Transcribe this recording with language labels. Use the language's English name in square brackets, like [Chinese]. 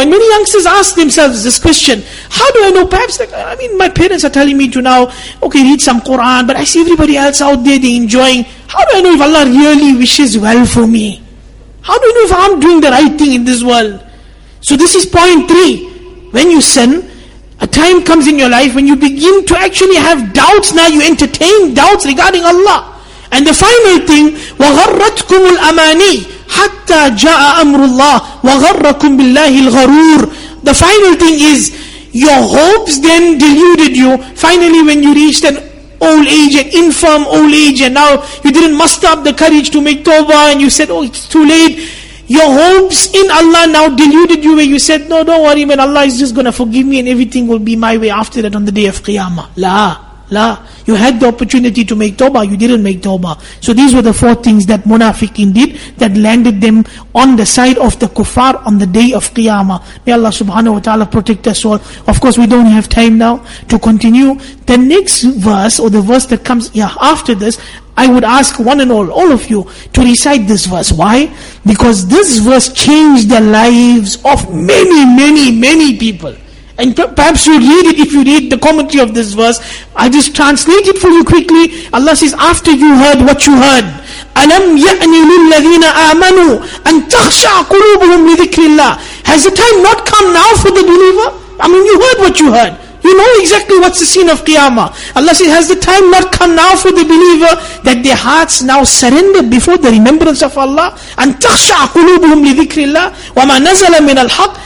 [English] And many youngsters ask themselves this question. How do I know? Perhaps, my parents are telling me to now, okay, read some Quran, but I see everybody else out there, they're enjoying. How do I know if Allah really wishes well for me? How do I know if I'm doing the right thing in this world? So this is point three. When you sin, a time comes in your life when you begin to actually have doubts now, you entertain doubts regarding Allah. And the final thing, [Arabic] وَغَرَّتْكُمُ الْأَمَانِي حَتَّى جَاءَ أَمْرُ اللَّهِ وَغَرَّكُمْ بِاللَّهِ الْغَرُورِ. [English] The final thing is, your hopes then deluded you. Finally, when you reached an old age, an infirm old age, and now you didn't muster up the courage to make tawbah, and you said, oh, it's too late. Your hopes in Allah now deluded you, where you said, no, don't worry, man, Allah is just going to forgive me and everything will be my way after that on the day of Qiyamah. La. You had the opportunity to make tawbah, you didn't make tawbah. So these were the four things that munafiqin did that landed them on the side of the kuffar on the day of Qiyamah. May Allah subhanahu wa ta'ala protect us all. Of course, we don't have time now to continue. The next verse, or the verse that comes after this, I would ask one and all of you, to recite this verse. Why? Because this verse changed the lives of many, many, many people. And perhaps you read it, if you read the commentary of this verse, I just translate it for you quickly. Allah says, after you heard what you heard, [Arabic] أَلَمْ يَأْنِ لِلَّذِينَ آمَنُوا أَن تَخْشَعَ قُلُوبُهُمْ لِذِكْرِ اللَّهِ. [English] Has the time not come now for the believer? I mean, you heard what you heard. You know exactly what's the scene of Qiyamah. Allah says, has the time not come now for the believer that their hearts now surrender before the remembrance of Allah? [Arabic] And تَخْشَعَ قُلُوبُهُمْ لِذِكْرِ اللَّهِ وَمَا نَزَلَ مِنَ الْحَقِّ.